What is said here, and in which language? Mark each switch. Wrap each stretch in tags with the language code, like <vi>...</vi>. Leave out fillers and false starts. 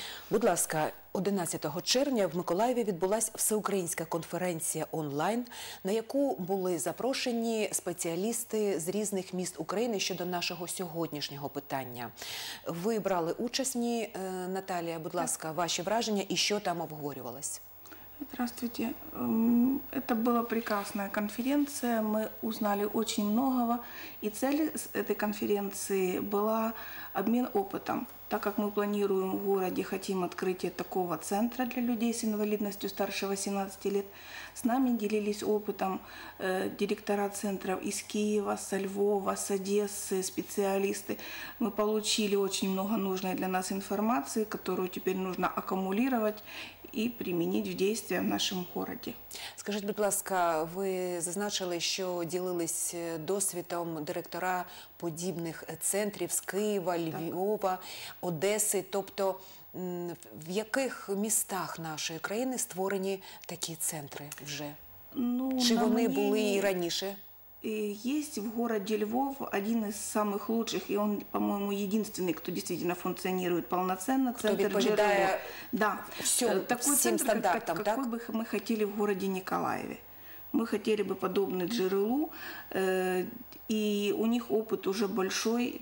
<uk>Будь ласка, 11 червня в Миколаєві відбулась всеукраїнська конференція онлайн, на яку були запрошені спеціалісти з різних міст України щодо нашого сьогоднішнього питання. Ви брали участь, Наталія, будь ласка, ваші враження і що там обговорювалось?</uk> <ru>Здравствуйте. Это была прекрасная конференция. Мы узнали очень многого. И цель этой конференции была обмен опытом. Так как мы планируем в городе, хотим открытие такого центра для людей с инвалидностью старше 18 лет, с нами делились опытом директора центров из Киева, со Львова, с Одессы, специалисты. Мы получили очень много нужной для нас информации, которую теперь нужно аккумулировать</ru> <uk>і примінити в дійсні в нашому місті. Скажіть, будь ласка, ви зазначили, що ділились досвідом директора подібних центрів з Києва, Львова, так, Одеси. Тобто, в яких містах нашої країни створені такі центри вже? Чи вони були і раніше?</uk> <ru>Есть в городе Львов один из самых лучших, и он, по-моему, единственный, кто действительно функционирует полноценно. Кто центр ЖРЛО. Да. Все, такой всем центр, стандартам, какой бы мы хотели в городе Николаеве. Мы хотели бы подобный ЖРЛО, и у них опыт уже большой.</ru>